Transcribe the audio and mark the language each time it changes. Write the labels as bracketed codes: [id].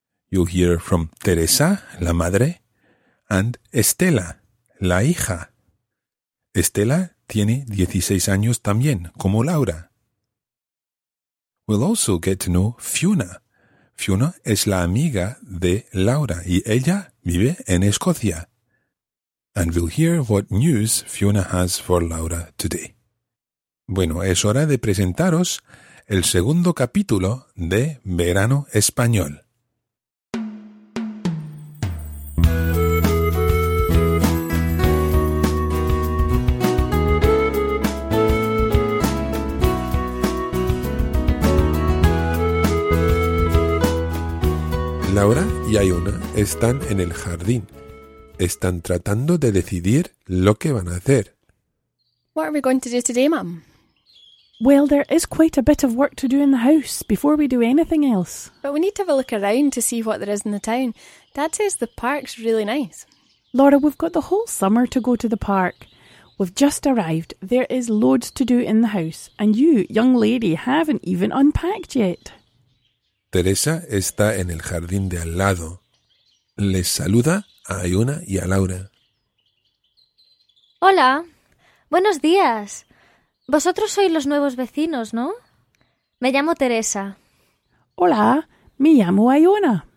[en] You'll hear from Teresa, [es] la madre, [en] and Estela, [es] la hija. Estela tiene 16 años también, como Laura. [en] We'll also get to know Fiona. [es] Fiona es la amiga de Laura y ella vive en Escocia. [en] And we'll hear what news Fiona has for Laura today. [es] Bueno, es hora de presentaros el segundo capítulo de Verano Español. Laura y Iona están en el jardín. Están tratando de decidir lo que van a hacer. [en] What are we going to do today, Mum? Well, there is quite a bit of work to do in the house before we do anything else. But we need to have a look around to see what there is in the town. Dad says the park's really nice. Laura, we've got the whole summer to go to the park. We've just arrived. There is loads to do in the house. And you, young lady, haven't even unpacked yet. [es] Teresa está en el jardín de al lado. Les saluda a Iona y a Laura. Hola, buenos días. Vosotros sois los nuevos vecinos, ¿no? Me llamo Teresa. Hola, me llamo Iona.